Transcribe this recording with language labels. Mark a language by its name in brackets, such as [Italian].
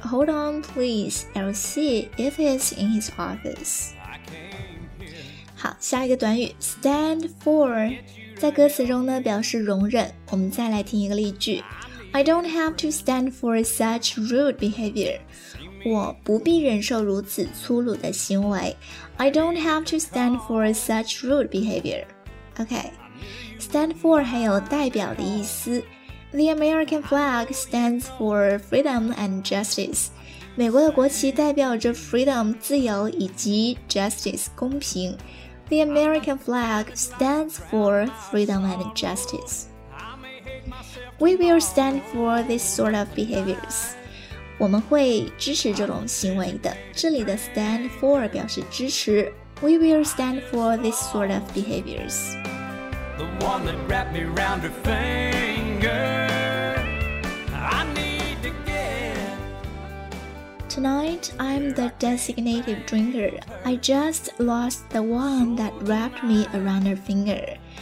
[English] Hold on please, I'll see if he's in his office. [Chinese] 好，下一个短语 stand for 在歌词中呢表示容忍。我们再来听一个例句， [English] I don't have to stand for such rude behavior. [Chinese] 我不必忍受如此粗鲁的行为。 [English] I don't have to stand for such rude behavior. OK, stand for [Chinese] 还有代表的意思。 [English] The American flag stands for freedom and justice. [Chinese] 美国的国旗代表着 freedom 自由以及 justice 公平。 [English] The American flag stands for freedom and justice. We will stand for this sort of behaviors. [Chinese] 我们会支持这种行为的。这里的 stand for 表示支持。 [English] We will stand for this sort of behaviors. The one that wrapped me round her finger, I need to get. Tonight I'm the designated drinker. I just lost the one that wrapped me around her finger.